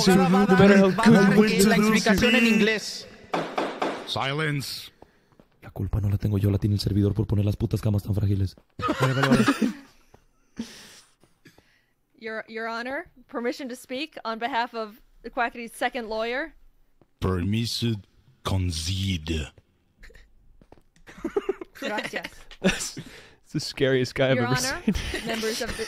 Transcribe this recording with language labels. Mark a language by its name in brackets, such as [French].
[English] No matter how good you look in that suit. Silence. [Spanish] La culpa no la tengo yo, la tiene el servidor por poner las putas camas tan frágiles. [English] Your Honor, permission to speak on behalf of the Quackity's second lawyer. [Spanish] Permiso concede. Gracias. [English] It's the scariest guy I've ever seen.